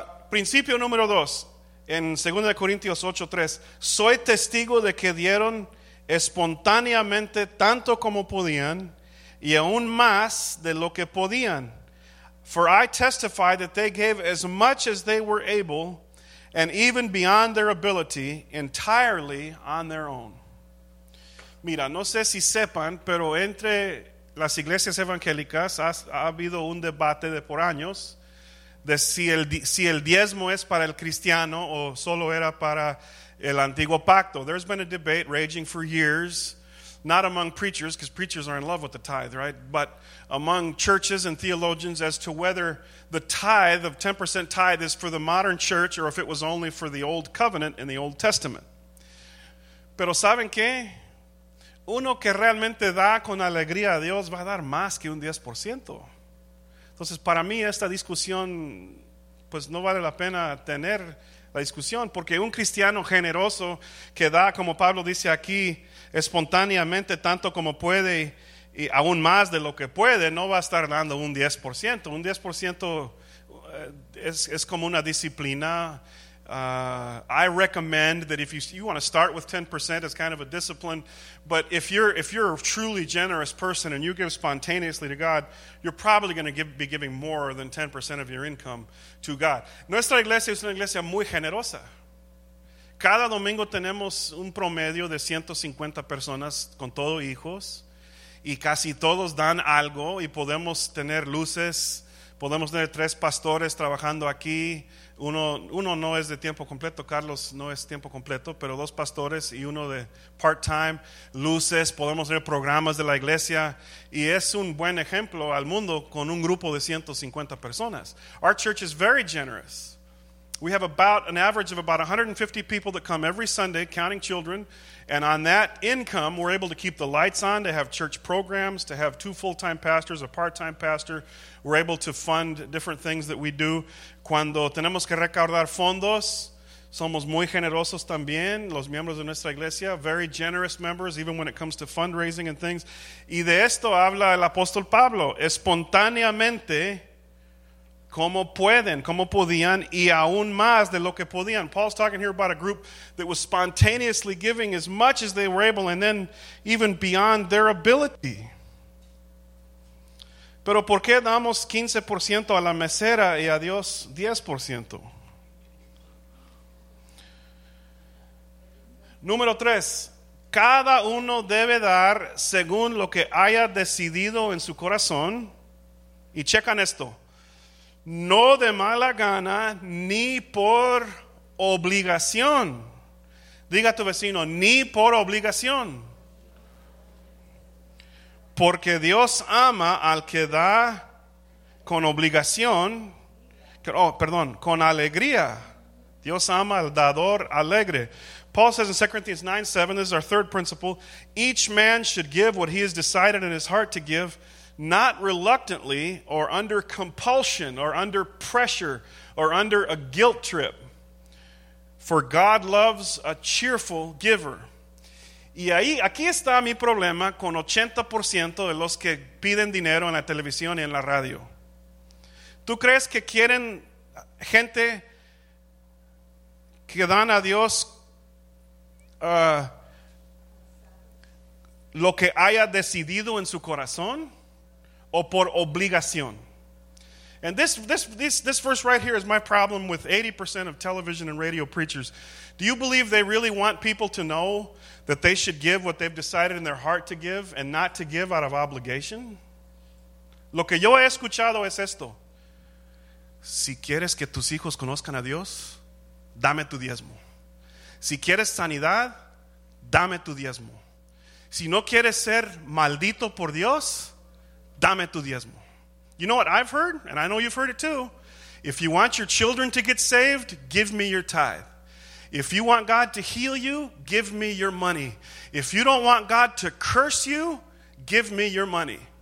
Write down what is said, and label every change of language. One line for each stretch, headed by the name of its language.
Spanish: Principio número dos. En 2 Corintios 8:3, soy testigo de que dieron espontáneamente tanto como podían y aún más de lo que podían.
English: For I testify that they gave as much as they were able and even beyond their ability, entirely on their own.
Spanish: Mira, no sé si sepan, pero entre las iglesias evangélicas ha habido un debate de por años de si el diezmo es para el cristiano o solo era para el antiguo pacto.
English: There's been a debate raging for years, not among preachers, because preachers are in love with the tithe, right? But among churches and theologians as to whether the tithe of 10% tithe is for the modern church or if it was only for the old covenant in the Old Testament.
Spanish: Pero ¿saben qué? Uno que realmente da con alegría a Dios va a dar más que un 10%. Entonces, para mí esta discusión, pues no vale la pena tener la discusión, porque un cristiano generoso que da, como Pablo dice aquí, espontáneamente tanto como puede y aún más de lo que puede, no va a estar dando un 10%. Un 10% es como una disciplina.
English: I recommend that if you want to start with 10% as kind of a discipline, but if you're a truly generous person and you give spontaneously to God, you're probably going to be giving more than 10% of your income to God.
Spanish: Nuestra iglesia es una iglesia muy generosa. Cada domingo tenemos un promedio de 150 personas con todo hijos, y casi todos dan algo, y podemos tener luces, podemos tener tres pastores trabajando aquí. Uno no es de tiempo completo, Carlos no es tiempo completo, pero dos pastores y uno de part-time, luces, podemos tener programas de la iglesia, y es un buen ejemplo al mundo con un grupo de 150 personas.
English: Our church is very generous. We have about an average of about 150 people that come every Sunday, counting children, and on that income, we're able to keep the lights on, to have church programs, to have two full-time pastors, a part-time pastor. We're able to fund different things that we do.
Spanish: Cuando tenemos que recaudar fondos, somos muy generosos también, los miembros de nuestra iglesia,
English: very generous members, even when it comes to fundraising and things.
Spanish: Y de esto habla el apóstol Pablo, espontáneamente, como pueden, como podían, y aún más de lo que podían.
English: Paul's talking here about a group that was spontaneously giving as much as they were able, and then even beyond their ability.
Spanish: Pero ¿por qué damos 15% a la mesera y a Dios 10%? Número 3. Cada uno debe dar según lo que haya decidido en su corazón. Y checan esto. No de mala gana ni por obligación. Diga a tu vecino, ni por obligación. Porque Dios ama al que da con obligación, con alegría. Dios ama al dador alegre.
English: Paul says in 2 Corinthians 9:7, this is our third principle, each man should give what he has decided in his heart to give, not reluctantly or under compulsion or under pressure or under a guilt trip. For God loves a cheerful giver.
Spanish: Y ahí, aquí está mi problema con 80% de los que piden dinero en la televisión y en la radio. ¿Tú crees que quieren gente que dan a Dios lo que haya decidido en su corazón o por obligación?
English: And this verse right here is my problem with 80% of television and radio preachers. Do you believe they really want people to know that they should give what they've decided in their heart to give and not to give out of obligation?
Spanish: Lo que yo he escuchado es esto. Si quieres que tus hijos conozcan a Dios, dame tu diezmo. Si quieres sanidad, dame tu diezmo. Si no quieres ser maldito por Dios, dame tu diezmo.
English: You know what I've heard, and I know you've heard it too. If you want your children to get saved, give me your tithe. If you want God to heal you, give me your money. If you don't want God to curse you, give me your money.